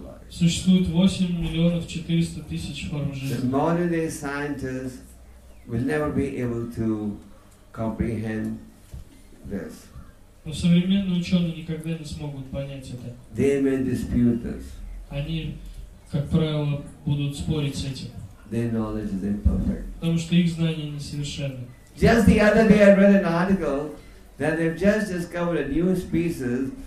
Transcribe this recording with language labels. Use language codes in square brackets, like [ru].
[ru] Существует 8 миллионов 400 тысяч форм жизни. [en] The modern day scientists will never be able to comprehend this. [ru] Но современные ученые никогда не смогут понять это. [en] They may dispute this. [ru] Они, как правило, будут спорить с этим. [en] Their knowledge is imperfect. [ru] Потому что их знания несовершенны. [en] Just the other day I read an article that they've just discovered a new species.